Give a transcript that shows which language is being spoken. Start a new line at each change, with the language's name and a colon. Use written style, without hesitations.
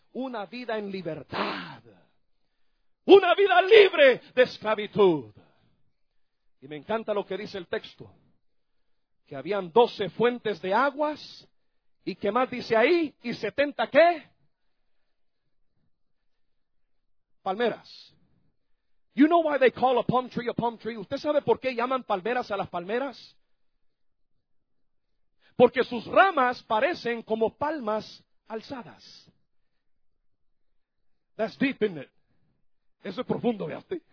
Spanish: Una vida en libertad, una vida libre de esclavitud. Y me encanta lo que dice el texto, que habían 12 fuentes de aguas, y qué más dice ahí, y 70 ¿qué? Palmeras.
English: You know why they call a palm tree a palm tree?
Spanish: ¿Usted sabe por qué llaman palmeras a las palmeras? Porque sus ramas parecen como palmas alzadas.
English: That's deep, isn't it?
Spanish: Eso es profundo, ¿verdad?